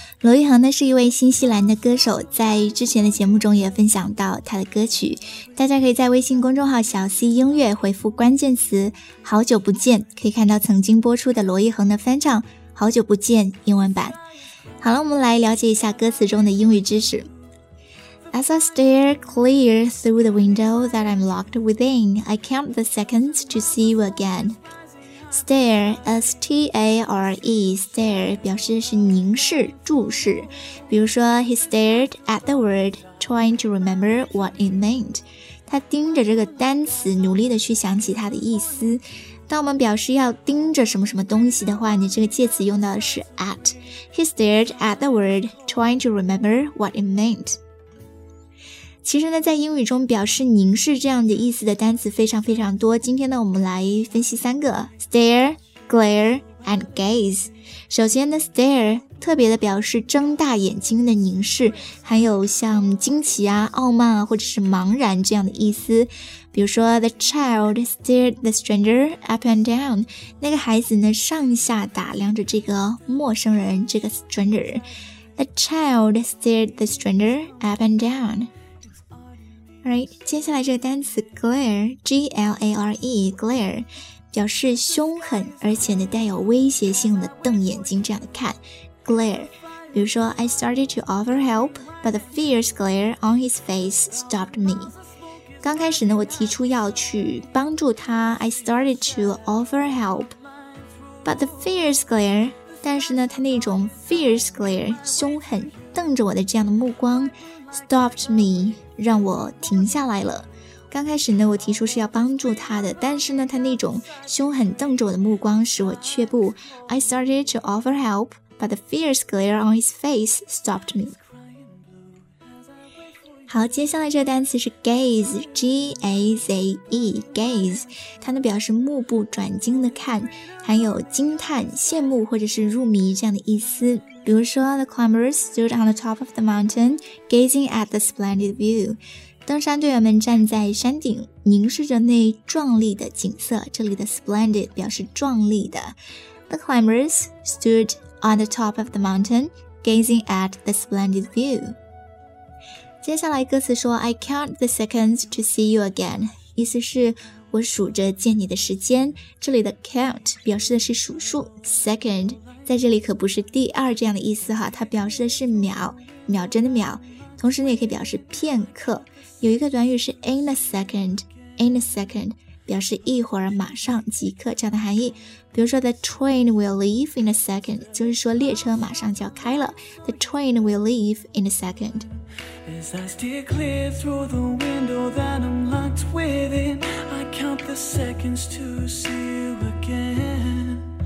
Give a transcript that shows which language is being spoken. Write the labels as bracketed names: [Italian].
[Chinese] 罗毅恒呢是一位新西兰的歌手，在之前的节目中也分享到他的歌曲，大家可以在微信公众号小 C 音乐回复关键词好久不见，可以看到曾经播出的罗毅恒的翻唱好久不见英文版。好了，我们来了解一下歌词中的英语知识。 [English] As I stare clear through the window that I'm locked within, I count the seconds to see you again. [Chinese] Stare, S-T-A-R-E, stare 表示是凝视、注视。比如说 [English] ,he stared at the word, trying to remember what it meant. [Chinese] 他盯着这个单词，努力地去想起它的意思。当我们表示要盯着什么什么东西的话，你这个介词用到的是 at. [English] He stared at the word, trying to remember what it meant. [Chinese] 其实呢，在英语中表示凝视这样的意思的单词非常非常多。今天呢，我们来分析三个 stare, glare, and gaze。首先呢 ，stare 特别的表示睁大眼睛的凝视，还有像惊奇啊、傲慢啊，或者是茫然这样的意思。比如说 [English] ，the child stared the stranger up and down。 [Chinese] 那个孩子呢，上下打量着这个陌生人，这个 stranger。 [English] The child stared the stranger up and down。 Right, [Chinese] 接下来这个单词 [English] glare, G-L-A-R-E, glare, [Chinese] 表示凶狠而且呢带有威胁性的瞪眼睛这样的看 [English] glare, [Chinese] 比如说 [English] I started to offer help, but the fierce glare on his face stopped me. [Chinese] 刚开始呢我提出要去帮助他 [English] I started to offer help, but the fierce glare, [Chinese] 但是呢他那种 fierce glare, 凶狠瞪着我的这样的目光 [English] stopped me, [Chinese] 让我停下来了。刚开始呢我提出是要帮助他的，但是呢他那种凶狠瞪着我的目光使我却步。 [English] I started to offer help, but the fierce glare on his face stopped me. [Chinese] 好，接下来这个单词是 gaze, G-A-Z-E, gaze, 它呢表示目不转睛的看，还有惊叹、羡慕或者是入迷这样的意思。比如说 [English] The climbers stood on the top of the mountain, gazing at the splendid view. [Chinese] 登山队员们站在山顶，凝视着那壮丽的景色。这里的 splendid 表示壮丽的。 [English] The climbers stood on the top of the mountain, gazing at the splendid view. [Chinese] 接下来歌词说 [English] I count the seconds to see you again. [Chinese] 意思是我数着见你的时间。这里的 count 表示的是数数 second. 在这里可不是第二这样的意思哈，它表示的是秒，秒针的秒，同时呢也可以表示片刻。有一个短语是 in a second, in a second, 表示一会儿、马上、即刻这样的含义。比如说 [English] the train will leave in a second, [Chinese] 就是说列车马上就要开了。 [English] The train will leave in a second. As I steer clear through the window that I'm locked within, I count the seconds to see you again.